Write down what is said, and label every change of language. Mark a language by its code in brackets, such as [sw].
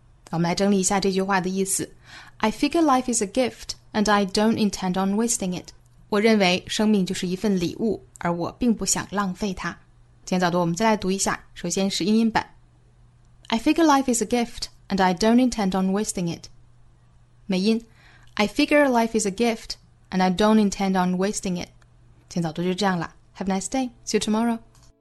[zh] 我们来整理一下这句话的意思。 [en] I figure life is a gift and I don't intend on wasting it。 [zh] 我认为生命就是一份礼物，而我并不想浪费它。今天早读我们再来读一下，首先是英音版。 [en] I figure life is a gift, and I don't intend on wasting it. 美音 I figure life is a gift, and I don't intend on wasting it. [zh] 今早读就这样了。 [en] Have a nice day. See you tomorrow.